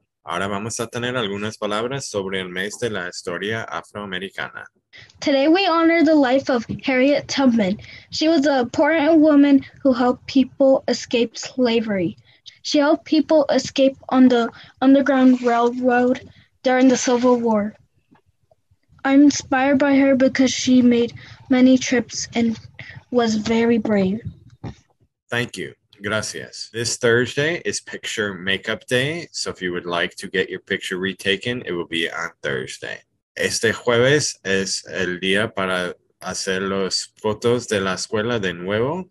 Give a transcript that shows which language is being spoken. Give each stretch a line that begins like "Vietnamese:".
Spanish: Ahora vamos a tener algunas palabras sobre el mes de la historia afroamericana.
English: Today we honor the life of Harriet Tubman. She was an important woman who helped people escape slavery. She helped people escape on the Underground Railroad during the Civil War. I'm inspired by her because she made many trips and was very brave. Thank you. Gracias. This Thursday is Picture Makeup Day, so if you would like to get your picture retaken, it will be on Thursday.
Spanish: Este jueves es el día para hacer las fotos de la escuela de nuevo.